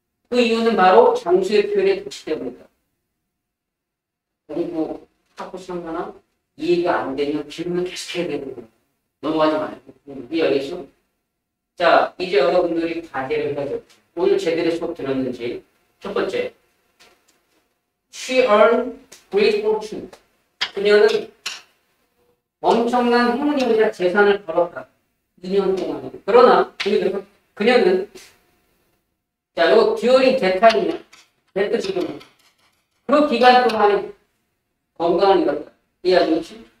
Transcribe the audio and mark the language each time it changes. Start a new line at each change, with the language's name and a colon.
Korean: 그 이유는 바로 장수의 표현에 도치 때문이다. 공부 하고 싶거나 이해가 안 되면 질문을 계속 해야 되는 거예요. 넘어가지 말고. 이해 알겠죠? 자, 이제 여러분들이 과제를 해야죠. 오늘 제대로 수업 들었는지. 첫 번째.
English: She earned great fortune.
Korean: 그녀는 엄청난 행운이자 재산을 벌었다. 2년 동안. 그러나, 그녀는, 자, 요거,
English: during that time
Korean: 이야. 됐다, 지금. 그 기간 동안에 건강을 잃었다. 이해하겠지?